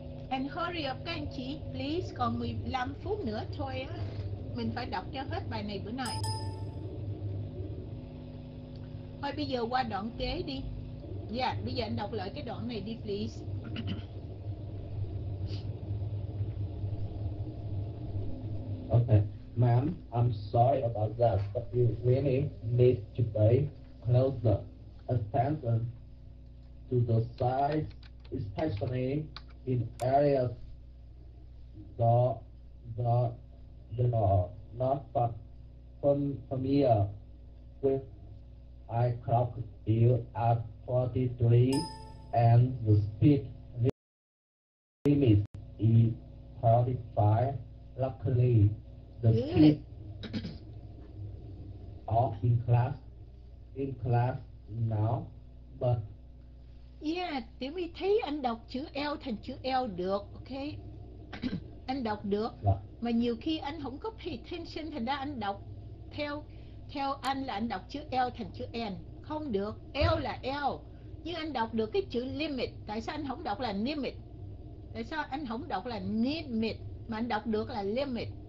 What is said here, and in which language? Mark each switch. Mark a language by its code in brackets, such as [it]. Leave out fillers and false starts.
[en] And hurry up [vi] các anh chị, please. Còn 15 phút nữa thôi á. Mình phải đọc cho hết bài này bữa nay. Thôi bây giờ qua đoạn kế đi. Dạ, bây giờ anh đọc lại cái đoạn này đi please. [en] Okay, ma'am, I'm sorry about that, but you really need to pay closer attention to the signs, especially in areas that are not familiar with eye clock view at 43 and the speed limit is 35. Luckily, the kids are in class now, but... [vi] Yeah, Tiểu My thấy anh đọc chữ L thành chữ L được, ok? Anh đọc được. [en] Yeah. [vi] Mà nhiều khi anh không có [en] pay attention, [vi] thành ra anh đọc theo theo anh là anh đọc chữ L thành chữ N. Không được, L là L. Nhưng anh đọc được cái chữ limit. Tại sao anh không đọc là limit? Tại sao anh không đọc là limit mà anh đọc được là limit?